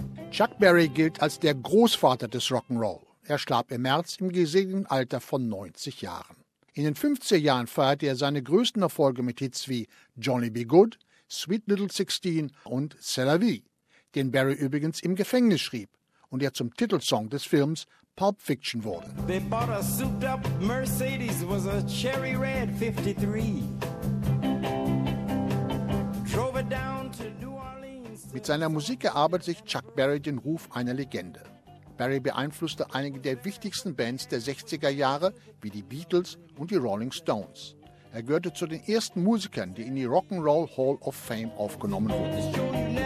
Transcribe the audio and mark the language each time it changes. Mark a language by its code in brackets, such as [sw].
[de] Chuck Berry gilt als der Großvater des Rock'n'Roll. Er starb im März im gesegneten Alter von 90 Jahren. In den 50er Jahren feierte er seine größten Erfolge mit Hits wie Johnny B. Goode, Sweet Little Sixteen und C'est la vie, den Berry übrigens im Gefängnis schrieb und der zum Titelsong des Films Pulp Fiction wurde. [en] They bought a souped up Mercedes, was a cherry red 53. Drove it down to New Orleans. [de] Mit seiner Musik erarbeitet sich Chuck Berry den Ruf einer Legende. Berry beeinflusste einige der wichtigsten Bands der 60er Jahre, wie die Beatles und die Rolling Stones. Er gehörte zu den ersten Musikern, die in die Rock'n'Roll Hall of Fame aufgenommen wurden.